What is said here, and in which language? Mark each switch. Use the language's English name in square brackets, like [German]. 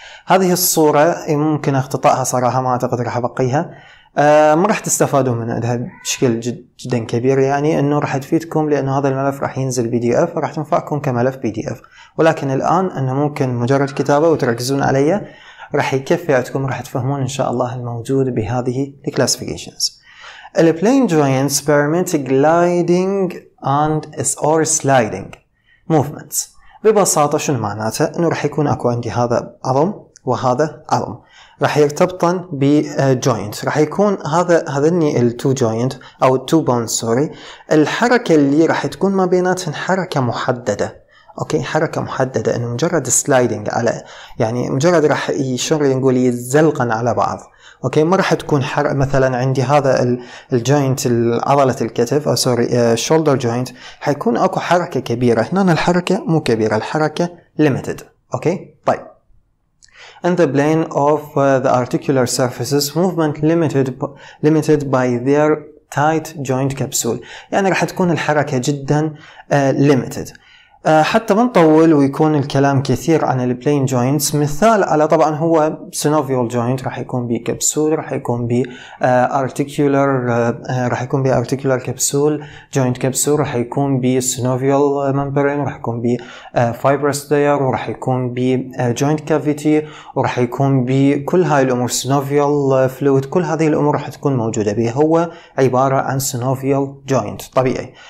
[Arabic] هذه الصورة ممكن اختطائها صراحة، ما أعتقد رح أبقيها، ما رح تستفادوا منها بشكل جدا كبير، يعني أنه رح تفيدكم لأنه هذا الملف رح ينزل PDF ورح تنفعكم كملف PDF، ولكن الآن أنه ممكن مجرد كتابة وتركزون عليها رح يكفي عندكم، رح تفهمون إن شاء الله الموجود بهذه الكلاسيفيكيشنز. [English] البلين joints permit gliding and or sliding movements. [Arabic] ببساطة شنو معناته؟ أنه رح يكون أكو عندي هذا عظم وهذا عظم، رح يرتبطن بجوينت، رح يكون هذني التو جوينت أو التو بون سوري، الحركة اللي رح تكون ما بيناتهن حركة محددة، أوكي حركة محددة، أنه مجرد سلايدنج على يعني مجرد رح يشغل نقول يتزلقن على بعض، أوكي ما رح تكون حركة. مثلا عندي هذا الجوينت عضلة الكتف أو سوري شولدر جوينت، حيكون أكو حركة كبيرة، هنا الحركة مو كبيرة، الحركة ليميتد، أوكي طيب. [English] And the plane of the articular surfaces movement limited by their tight joint capsule. [Arabic] يعني راح تكون الحركة جدا limited. حتى ما نطول ويكون الكلام كثير عن the plane joints. مثال على طبعا هو synovial joint راح يكون بكبسول، راح يكون بarticular راح يكون بarticular capsule joint capsule، راح يكون بsynovial membrane، راح يكون بfibrous layer، وراح يكون بjoint cavity، وراح يكون بكل هاي الأمور synovial fluid، كل هذه الأمور راح تكون موجودة به، هو عبارة عن synovial joint طبيعي.